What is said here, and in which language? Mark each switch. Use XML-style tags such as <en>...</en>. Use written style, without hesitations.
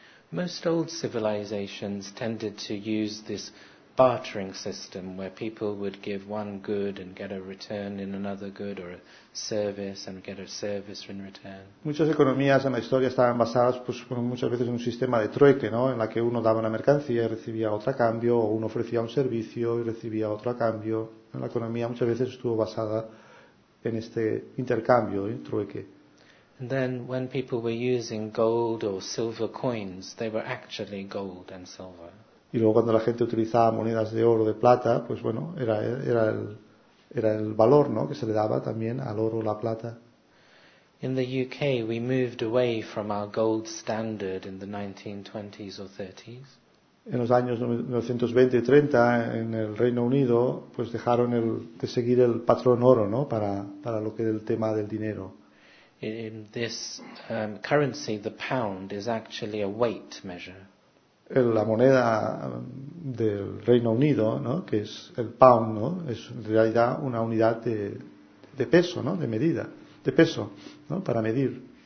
<en>Most old civilizations tended to use this bartering system where people would give one good and get a return in another good or a service and get a service in return.</en> <es>Muchas economías en la historia estaban basadas pues muchas veces en un sistema de trueque, ¿no? En la que uno daba una mercancía y recibía otra a cambio, o uno ofrecía un servicio y recibía otro a cambio. La economía muchas veces estuvo basada en este intercambio, en trueque.</es> <en>And then when people were using gold or silver coins, they were actually gold and silver.</en> <es>Y luego cuando la gente utilizaba monedas de oro o de plata, pues bueno, era el valor, ¿no?, que se le daba también al oro o la plata.</es> <en>In the UK, we moved away from our gold standard in the 1920s or 30s.</en> <es>En los años 1920 y 30, en el Reino Unido, pues dejaron de seguir el patrón oro, ¿no?, para lo que es el tema del dinero.</es> <en>In this currency, the pound is actually a weight measure.</en> <es>La moneda del Reino Unido, ¿no?, que es el pound, ¿no?, es en realidad una unidad de peso, ¿no?, de medida, de peso, ¿no?, para medir.</es>